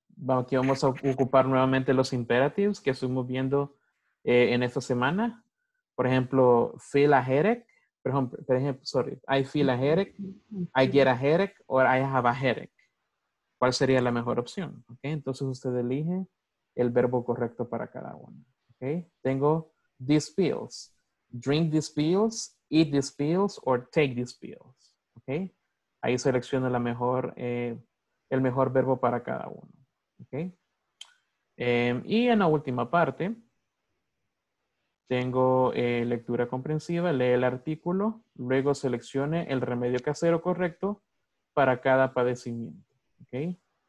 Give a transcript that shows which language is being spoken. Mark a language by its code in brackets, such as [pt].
[es] Aquí vamos a ocupar nuevamente los imperatives que estuvimos viendo en esta semana. Por ejemplo, [en] feel a headache. Por ejemplo, sorry, I feel a headache, I get a headache, or I have a headache. [es] ¿Cuál sería la mejor opción? ¿Okay? Entonces usted elige el verbo correcto para cada uno. [en] ¿Okay? Tengo these pills. Drink these pills, eat these pills, or take these pills. ¿Okay? [es] Ahí selecciono el mejor verbo para cada uno. Okay. Y en la última parte, tengo lectura comprensiva, lee el artículo, luego seleccione el remedio casero correcto para cada padecimiento. Okay.